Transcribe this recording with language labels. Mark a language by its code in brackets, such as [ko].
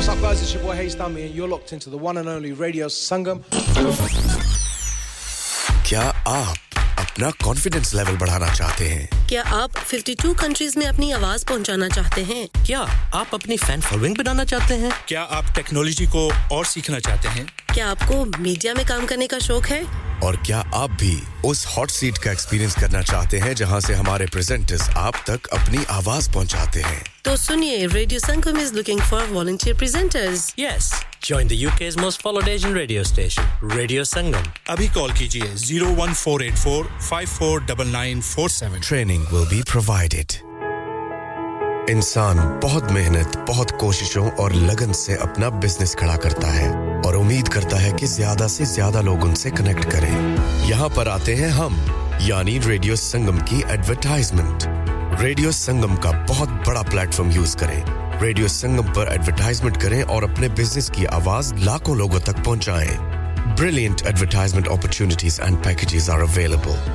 [en] This is your boy Hayes Dummy, and you're locked into the one and only Radio Sangam. [hi] क्या आप अपना confidence level बढ़ाना चाहते हैं? क्या आप 52 countries में अपनी आवाज़ पहुंचाना चाहते हैं? क्या आप अपनी fan following बनाना चाहते हैं? क्या आप technology को और सीखना चाहते हैं? क्या आपको media में काम करने का शौक है? और क्या आप भी उस hot seat का experience करना चाहते हैं, जहां से हमारे presenters आप तक अपनी आवाज़ पहुंचाते हैं? तो सुनिए, [en] Radio Sangam is looking for volunteer presenters. Yes, join the UK's most followed Asian radio station, Radio Sangam. [hi] अभी कॉल कीजिए 01484549947. [en] Training will be provided. [hi] इंसान बहुत मेहनत, बहुत कोशिशों और लगन से अपना बिजनेस खड़ा करता है और उम्मीद करता है कि ज्यादा से ज्यादा लोग उनसे कनेक्ट करें। यहाँ पर आते हैं हम, यानी रेडियो संगम की एडवरटाइजमेंट। रेडियो संगम का बहुत बड़ा प्लेटफॉर्म यूज करें, रेडियो संगम पर एडवरटाइजमेंट करें और अपने बिजनेस की आवाज लाखों लोगों तक पहुंचाएं। [en] Brilliant advertisement opportunities and packages are available.